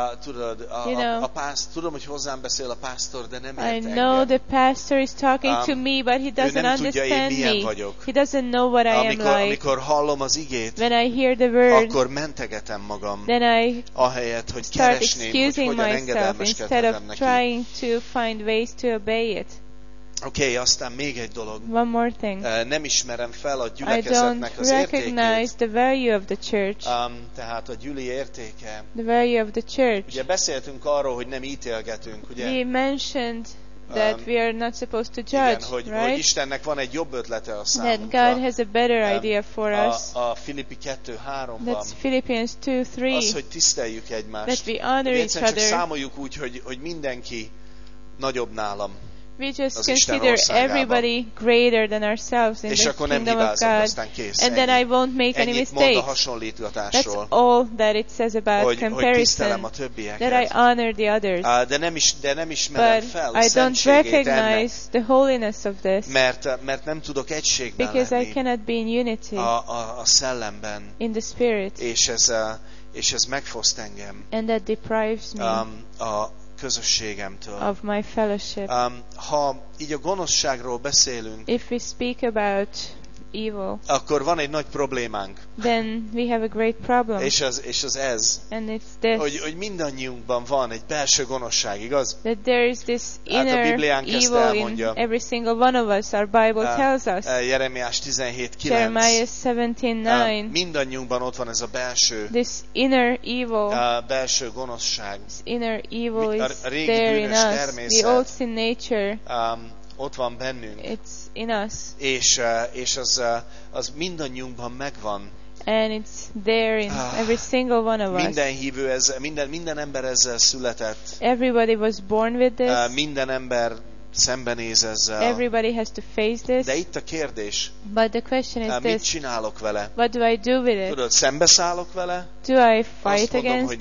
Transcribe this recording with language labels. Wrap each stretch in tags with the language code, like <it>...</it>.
<hu>Tudod,</hu> <en>you know,</en> <hu>a pásztor, tudom, hogy hozzám beszél a pásztor, de nem ért</hu> <en>I know</en> <hu>engem.</hu> <en>The pastor is talking to me, but he doesn't understand me. He doesn't know what I am like.</en> <hu>Amikor hallom az igét,</hu> <en>when I hear the word,</en> <hu>akkor mentegetem magam.</hu> <en>Then I</en> <hu>ahelyett, hogy</hu> <en>start</en> <hu>keresném,</hu> <en>excusing</en> <hu>hogy hogyan engedelmeskedhetem neki.</hu> <en>Instead of trying to find ways to obey it.</en> <hu>Okay, aztán még egy dolog.</hu> <en>One more thing.</en> <hu>Nem ismerem fel a gyülekezetnek az értékét.</hu> <en>I don't recognize the value of the church.</en> <hu>Tehát a gyüli értéke.</hu> <en>The value of the church.</en> <hu>Ugye beszéltünk arról, hogy nem ítélgetünk, ugye?</hu> <en>We mentioned that we are not supposed to judge,</en> <hu>igen, hogy,</hu> <en>right?</en> <hu>Hogy Istennek van egy jobb ötlete a számunkra.</hu> <en>That God has a better idea for us.</en> <hu>A Filippi 2:3-ban.</hu> <en>That's Philippians 2:3.</en> <hu>Az, hogy tiszteljük egymást.</hu> <en>That we honor</en> <hu>egyszer</hu> <en>each other.</en> <hu>Csak számoljuk úgy, hogy mindenki nagyobb nálam.</hu> <en>We just consider everybody greater than ourselves in the kingdom of God. And then I won't make any mistakes. That's all that it says about comparison. That I honor the others. But I don't recognize the holiness of this.</en> <hu>Mert nem tudok egységben lenni.</hu> <en>Because I cannot be in unity.</en> <hu>A szellemben.</hu> <en>In the spirit.</en> <hu>És ez megfoszt engem.</hu> <en>And that deprives me.</en> <hu>Közösségemtől.</hu> <en>Of my fellowship.</en> <hu>Ha így a gonoszságról beszélünk,</hu> <en>if we speak about evil,</en> <hu>akkor van egy nagy problémánk.</hu> <en>Then we have a great problem.</en> <hu>És az ez.</hu> <en>And it's this.</en> <hu>Hogy mindannyiunkban van egy belső gonoszság, igaz?</hu> <en>That there is this inner evil in every single one of us. Our Bible tells us.</en> <hu>Jeremiás 17:9.</hu> <en>Jeremiah 17:9.</en> <hu>Mindannyiunkban ott van ez a belső.</hu> <en>This inner evil.</en> <hu>Belső gonoszság.</hu> <en>This inner evil is there in us. The old sin nature.</en> <hu>Ott van bennünk.</hu> <en>It's in us.</en> <hu>És az mindannyiunkban megvan.</hu> <en>And it's there in every single one of us.</en> <hu>Minden hívő ez, minden ember ezzel született.</hu> <en>Everybody was born with this.</en> <hu>Minden ember szembenéz ezzel.</hu> <en>Everybody has to face this.</en> <hu>De itt a kérdés.</hu> <en>But the question is this.</en> <hu>Mit csinálok vele?</hu> <en>What do I do with it?</en> <hu>Tudod, szembeszállok vele?</hu> <en>Do I fight against it?</en>